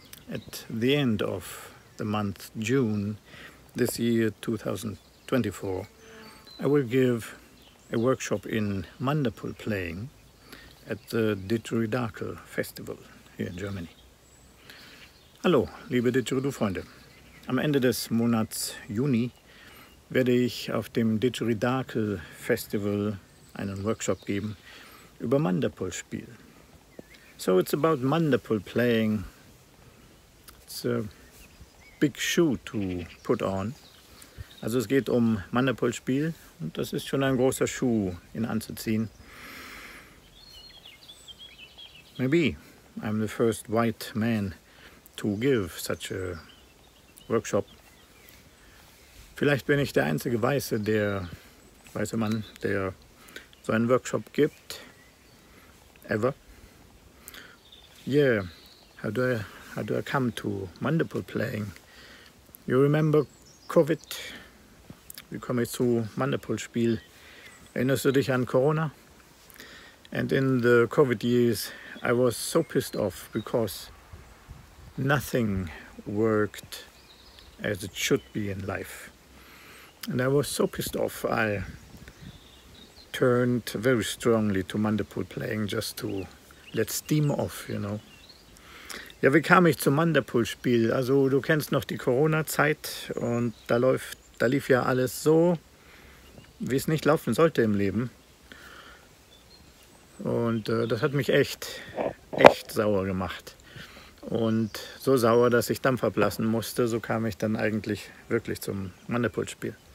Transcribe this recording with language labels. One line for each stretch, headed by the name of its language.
English: At the end of the month June this year, 2024, I will give a workshop in mandapul playing at the Ditto Festival here in Germany.
German: Hallo, liebe Ditto Freunde. Am Ende des Monats Juni werde ich auf dem Ditto Festival einen Workshop geben über mandapul spiel.
English: So it's about mandapul playing. It's a big shoe to put on.
German: Also es geht um Mandapul-Spiel und das ist schon ein großer Schuh, ihn anzuziehen.
English: Maybe I'm the first white man to give such a workshop.
German: Vielleicht bin ich der einzige weiße Mann, der so einen Workshop gibt.
English: Ever. Yeah, how do I come to mandapul playing? You remember COVID?
German: Wie komme ich zu mandapul spiel? Erinnerst du dich an Corona?
English: And in the COVID years, I was so pissed off because nothing worked as it should be in life. And I was so pissed off, I turned very strongly to mandapul playing just to let steam off, you know.
German: Ja, wie kam ich zum Mandapul-Spiel? Also du kennst noch die Corona-Zeit und da lief ja alles so, wie es nicht laufen sollte im Leben. Und das hat mich echt sauer gemacht. Und so sauer, dass ich Dampf ablassen musste, so kam ich dann eigentlich wirklich zum Mandapul-Spiel.